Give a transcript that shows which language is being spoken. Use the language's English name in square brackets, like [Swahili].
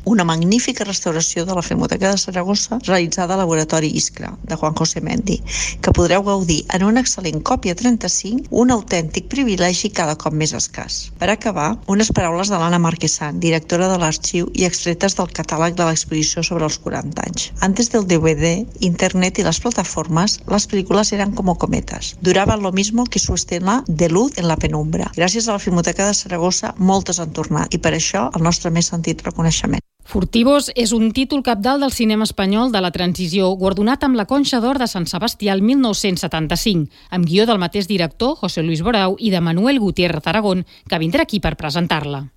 [Catalan] Una magnífica restauració de la Filmoteca de Saragossa, realitzada a Laboratori Iskra, de Juan José Mendi, que podreu gaudir en una excel·lent còpia 35, un autèntic privilegi cada cop més escàs. Per acabar, unes paraules de l'Anna Marquesan, directora de l'Arxiu i extretes del catàleg de l'exposició sobre els 40 anys. [Spanish] Antes del DVD, internet y las plataformas, las películas eran como cometas. Duraban lo mismo que su estela de luz en la penumbra. [Catalan] Gràcies a la Filmoteca de Saragossa, moltes han tornat i per això el nostre més sentit reconeixement. Furtivos és un títol capdalt del cinema espanyol de la transició, guardonat amb la Conxa d'Or de Sant Sebastià el 1975, amb guió del mateix director, José Luis Borau, i de Manuel Gutiérrez Aragón, que vindrà aquí per presentar-la.